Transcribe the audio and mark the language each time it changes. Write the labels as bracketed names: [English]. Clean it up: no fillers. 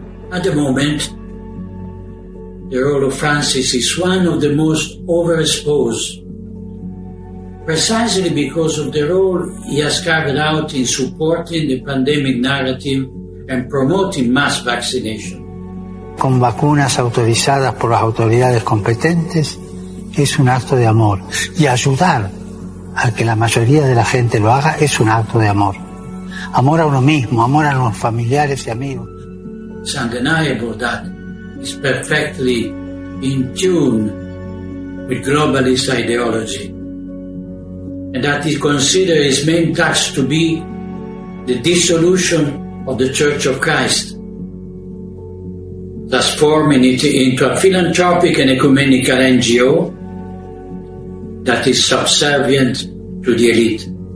[English] At the moment, the role of Francis is one of the most overexposed, precisely because of the role he has carried out in supporting the pandemic narrative and promoting mass vaccination. [Spanish] Con vacunas autorizadas por las autoridades competentes, es un acto de amor. Y ayudar a que la mayoría de la gente lo haga es un acto de amor. Amor a uno mismo, amor a los familiares y amigos. [English] It's undeniable that he's perfectly in tune with globalist ideology and that he considers his main task to be the dissolution of the Church of Christ, transforming it into a philanthropic and ecumenical NGO that is subservient to the elite.